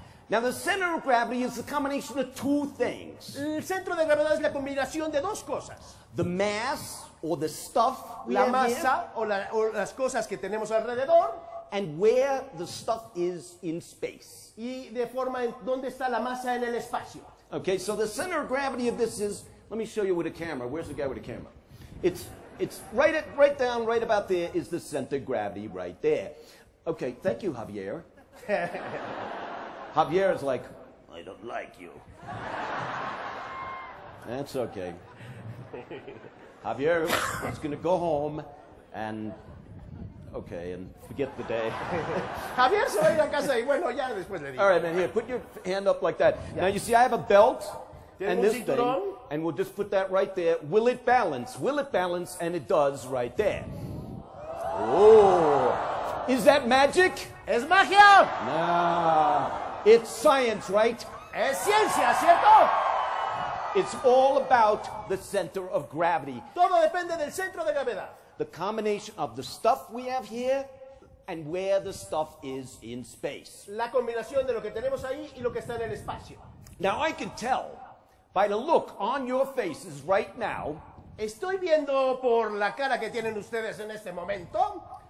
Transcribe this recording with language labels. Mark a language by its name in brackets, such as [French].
[English] Now the center of gravity is the combination of two things. [Spanish] El centro de gravedad es la combinación de dos cosas. [English] The mass or the stuff we have here. [Spanish] La masa o las cosas que tenemos alrededor. [English] And where the stuff is in space. [Spanish] Y de forma en donde está la masa en el espacio. [English] Okay, so the center of gravity of this is, let me show you with a camera. Where's the guy with a camera? It's right at, right down, right about there is the center of gravity right there. Okay, thank you, Javier. Javier is like, I don't like you. That's okay. Javier is going to go home and, okay, and forget the day. [Spanish] Javier se va a ir a casa y bueno, ya después le digo. [English] All right, man, here, put your hand up like that. Yeah. Now, you see, I have a belt. And this thing, and we'll just put that right there. Will it balance? Will it balance? And it does right there. Oh, is that magic? [Spanish] Es magia. [English] Nah, it's science, right? [Spanish] Es ciencia, ¿cierto? [English] It's all about the center of gravity. [Spanish] Todo depende del centro de gravedad. [English] The combination of the stuff we have here and where the stuff is in space. [Spanish] La combinación de lo que tenemos ahí y lo que está en el espacio. [English] Now I can tell. By the look on your faces right now, [Spanish] estoy viendo por la cara que tienen ustedes en este momento,